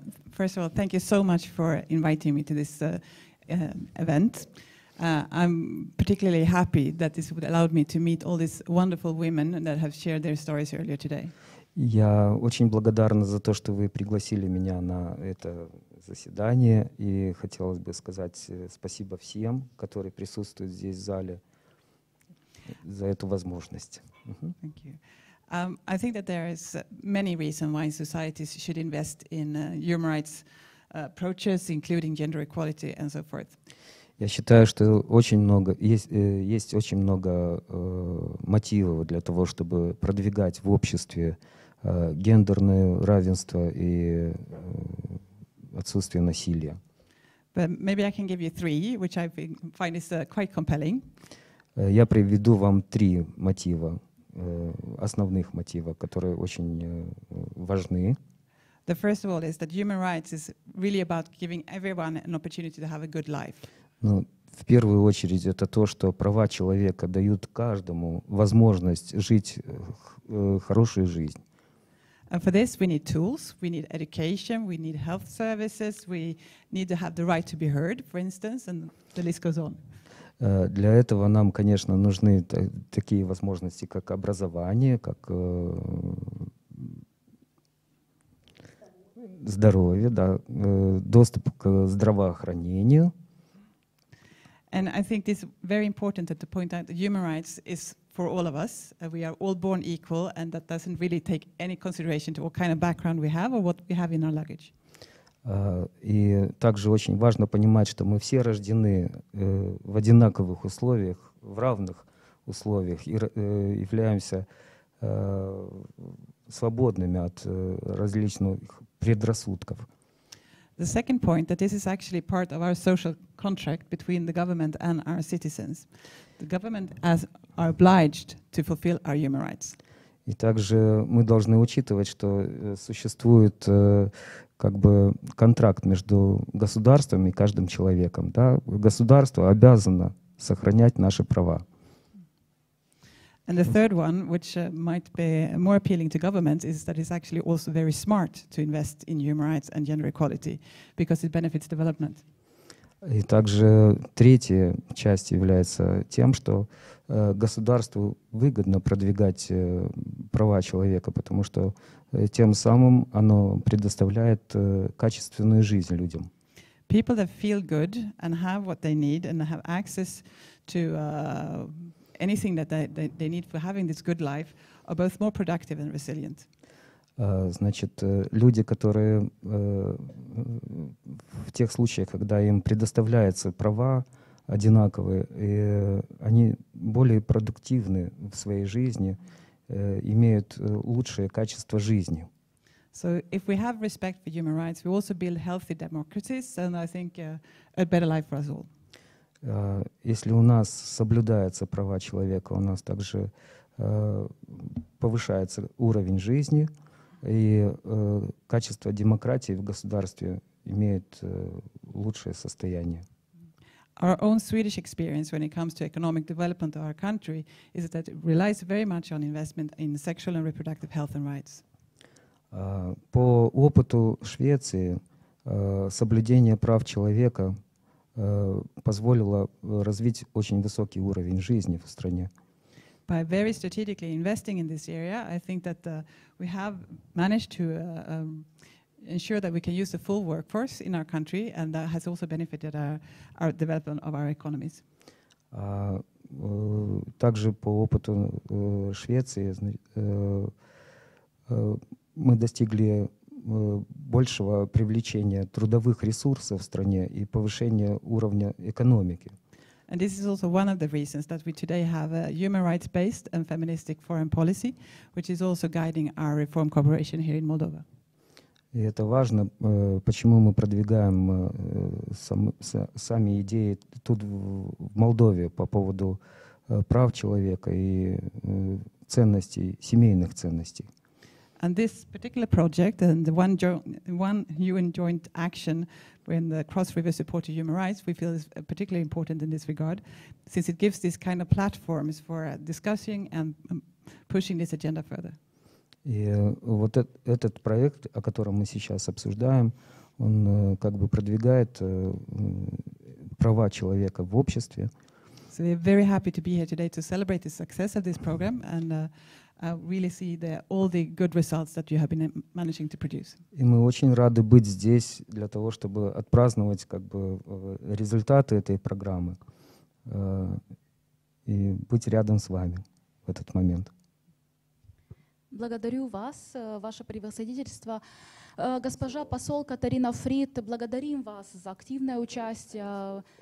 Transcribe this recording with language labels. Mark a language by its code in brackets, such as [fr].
[en] First of all, thank you so much for inviting me to this event. I'm particularly happy that this would allow me to meet all these wonderful women that have shared their stories earlier today. [ru] Я очень благодарна за то, что вы пригласили меня на это заседание, и хотелось бы сказать спасибо всем, которые присутствуют здесь в зале, за эту возможность. [en] Uh-huh. Thank you. I think that there is many reasons why societies should invest in human rights approaches, including gender equality and so forth. [ru] Я считаю, что очень много есть очень много мотивов для того, чтобы продвигать в обществе гендерное равенство и отсутствие насилия. [en] But maybe I can give you three, which I find is quite compelling. [ru] Я приведу вам три мотива. Основных мотивов, которые очень важны. [en] The first of all is that human rights is really about giving everyone an opportunity to have a good life. [ru] Ну, в первую очередь, это то, что права человека дают каждому возможность жить хорошую жизнь. [en] And for this we need tools, we need education, we need health services, we need to have the right to be heard, for instance, and the list goes on. [ru] Для этого нам, конечно, нужны такие возможности, как образование, как здоровье, да, доступ к здравоохранению. [en] And I think this is very important to point out that human rights is for all of us. We are all born equal, and that doesn't really take any consideration to what kind of background we have or what we have in our luggage. [ru] И также очень важно понимать, что мы все рождены в одинаковых условиях, в равных условиях и являемся свободными от различных предрассудков. [en] The second point, that this is actually part of our social contract between the government and our citizens. The government are obliged to fulfill our human rights. [ru] И также мы должны учитывать, что существует как бы контракт между государством и каждым человеком. Да? Государство обязано сохранять наши права. [en] And the third one, which might be more appealing to governments, is that it's actually also very smart to invest in human rights and gender equality, because it benefits development. [ru] И также третья часть является тем, что государству выгодно продвигать права человека, потому что тем самым оно предоставляет качественную жизнь людям. [en] People that feel good and have what they need and have access to anything that they need for having this good life are both more productive and resilient. [ru] Значит, люди, которые в тех случаях, когда им предоставляются права одинаковые, и они более продуктивны в своей жизни, имеют лучшее качество жизни. [en] So if we have respect for human rights, we also build healthy democracies, and I think a better life for us all. [ru] Если у нас соблюдаются права человека, у нас также повышается уровень жизни, и качество демократии в государстве имеет лучшее состояние. [en] Our own Swedish experience when it comes to economic development of our country is that it relies very much on investment in sexual and reproductive health and rights. [ru] По опыту Швеции, соблюдение прав человека позволило развить очень высокий уровень жизни в стране. [en] By very strategically investing in this area, I think that we have managed to ensure that we can use the full workforce in our country, and that has also benefited our development of our economies. [ru] Также по опыту Швеции мы достигли большего привлечения трудовых ресурсов в стране и повышения уровня экономики. [en] And this is also one of the reasons that we today have a human rights-based and feministic foreign policy, which is also guiding our reform cooperation here in Moldova. [ru] И это важно, почему мы продвигаем сами идеи тут в Молдове по поводу прав человека и ценностей, семейных ценностей. [en] And this particular project and the one UN joint action when the Cross River Support for Human Rights, we feel is particularly important in this regard, since it gives this kind of platforms for discussing and pushing this agenda further. [ru] И вот этот проект, о котором мы сейчас обсуждаем, он как бы продвигает права человека в обществе. [en] So we're very happy to be here today to celebrate the success of this program and really see all the good results that you have been managing to produce. [ru] И мы очень рады быть здесь для того, чтобы отпраздновать как бы результаты этой программы и быть рядом с вами в этот момент. Благодарю вас, ваше превосходительство. Госпожа посол Катарина Фрид, благодарим вас за активное участие.